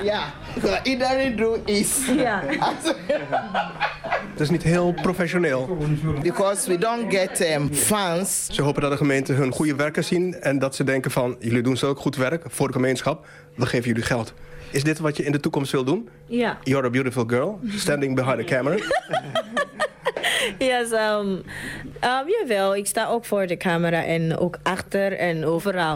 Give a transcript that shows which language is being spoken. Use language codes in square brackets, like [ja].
[nl] Ja, wat iedereen doet is. Ja. Het is niet heel professioneel. [en] Because we don't get fans. [nl] Ze hopen dat de gemeente hun goede werken zien en dat ze denken van, jullie doen zulk goed werk voor de gemeenschap, we geven jullie geld. Is dit wat je in de toekomst wil doen? Ja. [en] You're a beautiful girl, standing behind the camera. [nl] Yes, jawel, ik sta ook voor de camera en ook achter en overal.